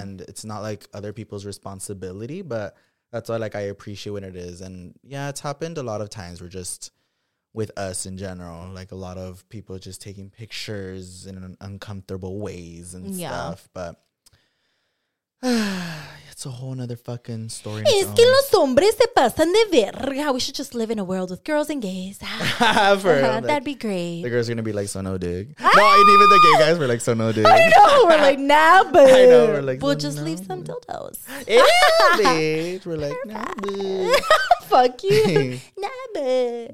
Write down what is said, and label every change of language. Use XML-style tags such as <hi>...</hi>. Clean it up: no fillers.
<en>and it's not like other people's responsibility. But that's why like I appreciate when it is, and yeah, it's happened a lot of times. We're just with us in general, like a lot of people just taking pictures in uncomfortable ways and stuff. But. It's a whole nother fucking story.</en> <es>Es que los hombres se pasan de verga.</es> <en>We should just live in a world with girls and gays. That'd be great. The girls are going to be like, so no dig. No, and even the gay guys were like, so no dig. I know. We're like, nah, boo. I know. We're like, we'll just leave some dildos. Bitch. We're like, nah, boo. Fuck you. Nah, boo.</en>